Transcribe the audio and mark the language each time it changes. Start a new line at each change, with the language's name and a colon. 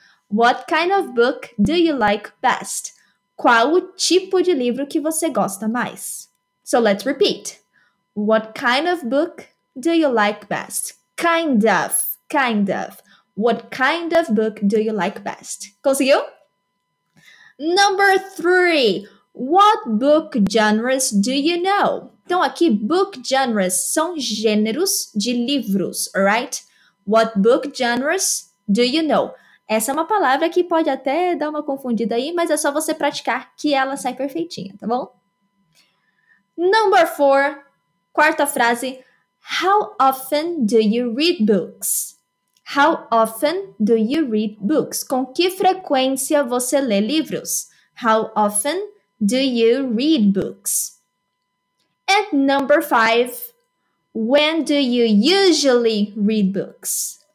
English: What kind of book do you like best?
Portuguese: Qual o tipo de livro que você gosta mais?
English: So let's repeat. What kind of book do you like best? Kind of. What kind of book do you like best?
Portuguese: Conseguiu?
English: Number three. What book genres do you know?
Portuguese: Então aqui, book genres são gêneros de livros, alright?
English: What book genres do you know?
Portuguese: Essa é uma palavra que pode até dar uma confundida aí, mas é só você praticar que ela sai perfeitinha, tá bom?
English: Number four,
Portuguese: quarta frase,
English: how often do you read books? How often do you read books?
Portuguese: Com que frequência você lê livros?
English: How often do you read books? And number five, when do you usually read books?